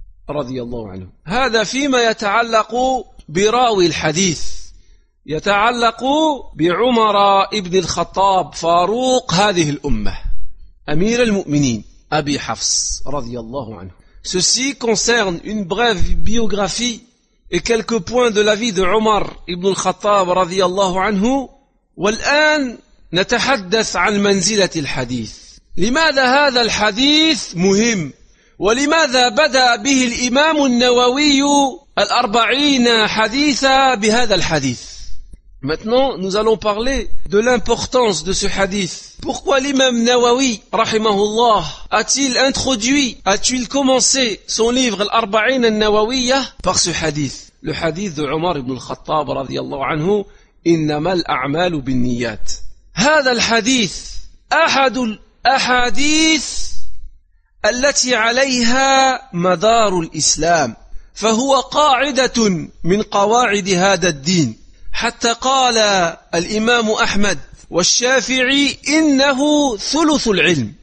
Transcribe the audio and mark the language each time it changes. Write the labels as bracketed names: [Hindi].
[Arabic] رضي الله عنه هذا فيما يتعلق براوي الحديث يتعلق بعمر ابن الخطاب فاروق هذه الأمة أمير المؤمنين أبي حفص رضي الله عنه. [French] Ceci concerne une brève biographie et quelques points de la vie de Umar ibn al-Khattab رضي الله عنه. [Arabic] والآن نتحدث عن منزلة الحديث. لماذا هذا الحديث مهم؟ ولماذا بدأ به الإمام النووي الأربعين حديثا بهذا الحديث. [French] Maintenant nous allons parler de l'importance de ce hadith. Pourquoi l'imam Nawawi rahimahullah a-t-il introduit, a-t-il commencé son livre الأربعين النووية par ce hadith, le hadith de Umar ibn al-Khattab رضي الله عنه [Arabic] إنما الأعمال بالنيات. هذا الحديث أحد الأحاديث التي عليها مدار الإسلام، فهو قاعدة من قواعد هذا الدين، حتى قال الإمام أحمد والشافعي إنه ثلث العلم.